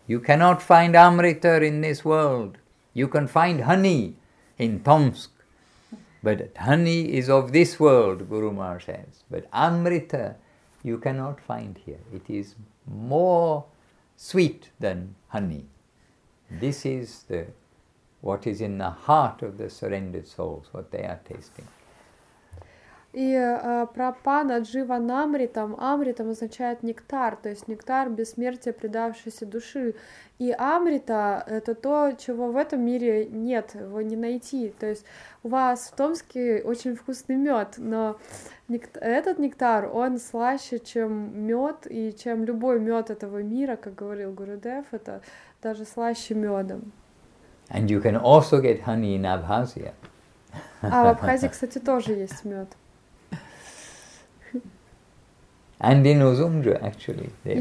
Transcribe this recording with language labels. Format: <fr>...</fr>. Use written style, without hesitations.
<en>You cannot find amrita in this world. You can find honey in Tomsk, but honey is of this world, Guru Maharaj says. But amrita you cannot find here. It is more sweet than honey. This is the what is in the heart of the surrendered souls, what they are tasting.</en> <ru>И прапана дживанамритам, амритам означает нектар, то есть нектар бессмертия предавшейся души. И амрита — это то, чего в этом мире нет, его не найти. То есть у вас в Томске очень вкусный мед, но этот нектар, он слаще, чем мед, и чем любой мед этого мира, как говорил Гурудев, это даже слаще медом.</ru> <en>And you can also get honey in Abkhazia.</en> <ru>А в Абхазии, кстати, тоже есть мед.</ru> <en>And in Узунджу, actually, they</en>